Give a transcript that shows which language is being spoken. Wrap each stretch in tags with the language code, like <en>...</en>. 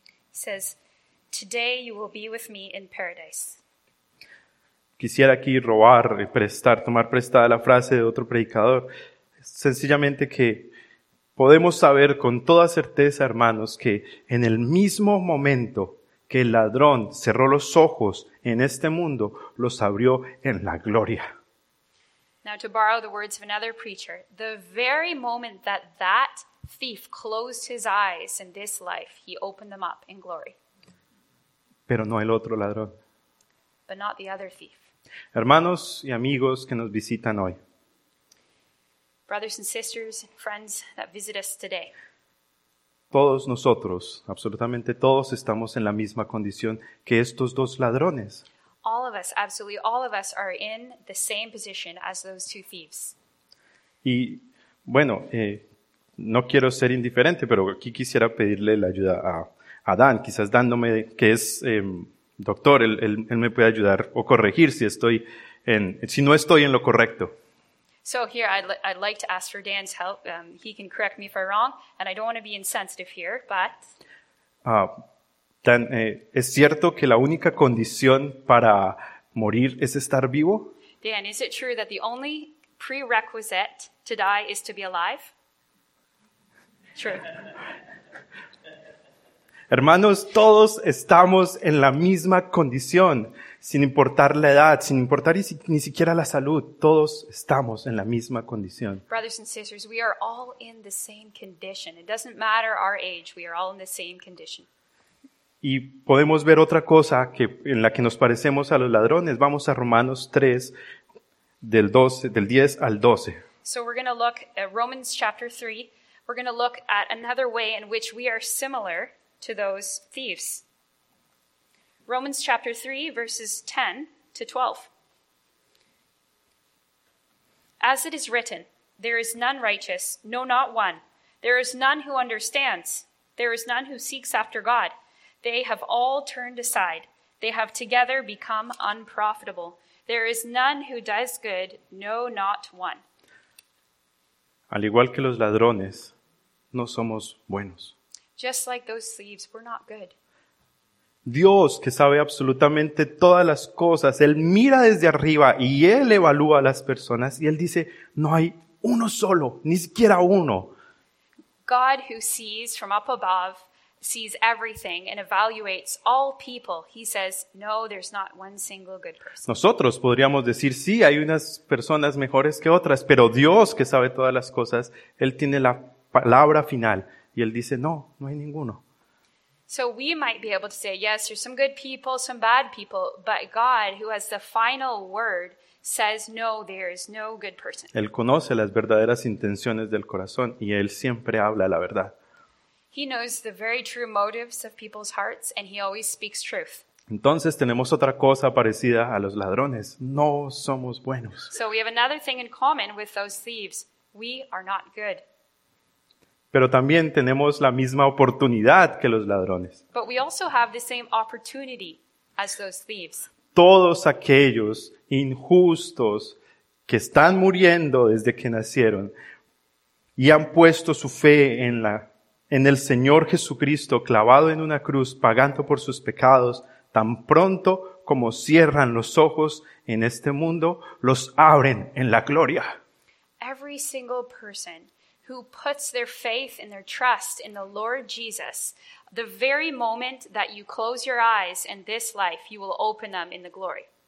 <en>He says, today you will be with me in paradise.</en> <es>Quisiera aquí robar, prestar, tomar prestada la frase de otro predicador. Sencillamente que podemos saber con toda certeza, hermanos, que en el mismo momento que el ladrón cerró los ojos en este mundo, los abrió en la gloria.</es> <en>Now, to borrow the words of another preacher, the very moment that that thief closed his eyes in this life, he opened them up in glory.</en> <es>Pero no el otro ladrón.</es> <en>But not the other thief.</en> <es>Hermanos y amigos que nos visitan hoy.</es> <en>Brothers and sisters, friends that visit us today.</en> <es>Todos nosotros, absolutamente todos, estamos en la misma condición que estos dos ladrones.</es> <en>All of us, absolutely all of us, are in the same position as those two thieves.</en> <es>Y bueno, no quiero ser indiferente, pero aquí quisiera pedirle la ayuda a Dan, quizás dándome que es doctor, él me puede ayudar o corregir si no estoy en lo correcto.</es> <en>So here I'd like to ask for Dan's help. He can correct me if I'm wrong, and I don't want to be insensitive here, but.</en> <es>Dan, ¿es cierto que la única condición para morir es estar vivo?</es> <en>Dan, is it true that the only prerequisite to die is to be alive? True.</en> <es>Hermanos, todos estamos en la misma condición, sin importar la edad, sin importar ni siquiera la salud, todos estamos en la misma condición.</es> <en>Brothers and sisters, we are all in the same condition. It doesn't matter our age, we are all in the same condition.</en> <es>Y podemos ver otra cosa que, en la que nos parecemos a los ladrones. Vamos a Romanos 3, del 10 al 12.</es> <en>So we're going to look at Romans chapter 3. We're going to look at another way in which we are similar to those thieves. Romans chapter 3, verses 10 to 12. As it is written, there is none righteous, no, not one. There is none who understands. There is none who seeks after God. They have all turned aside. They have together become unprofitable. There is none who does good, no, not one.</en> <es>Al igual que los ladrones, no somos buenos.</es> <en>Just like those thieves, we're not good.</en> <es>Dios, que sabe absolutamente todas las cosas, Él mira desde arriba y Él evalúa a las personas y Él dice, no hay uno solo, ni siquiera uno.</es> <en>God, who sees from up above, sees everything and evaluates all people. He says, no, there's not one single good person.</en> <es>Nosotros podríamos decir, sí, hay unas personas mejores que otras, pero Dios, que sabe todas las cosas, Él tiene la palabra final. Y Él dice, no, no hay ninguno.</es> <en>So we might be able to say, yes, there's some good people, some bad people, but God, who has the final word, says, no, there is no good person.</en> <es>Él conoce las verdaderas intenciones del corazón y Él siempre habla la verdad.</es> <en>He knows the very true motives of people's hearts and he always speaks truth.</en> <es>Entonces tenemos otra cosa parecida a los ladrones. No somos buenos.</es> <en>So we have another thing in common with those thieves. We are not good.</en> <es>Pero también tenemos la misma oportunidad que los ladrones.</es> <en>But we also have the same opportunity as those thieves.</en> <es>Todos aquellos injustos que están muriendo desde que nacieron y han puesto su fe en el Señor Jesucristo clavado en una cruz, pagando por sus pecados, tan pronto como cierran los ojos en este mundo, los abren en la gloria.</es> <en>Every single person who puts their faith and their trust in the Lord Jesus, the very moment that you close your eyes in this life, you will open them in the glory.</en>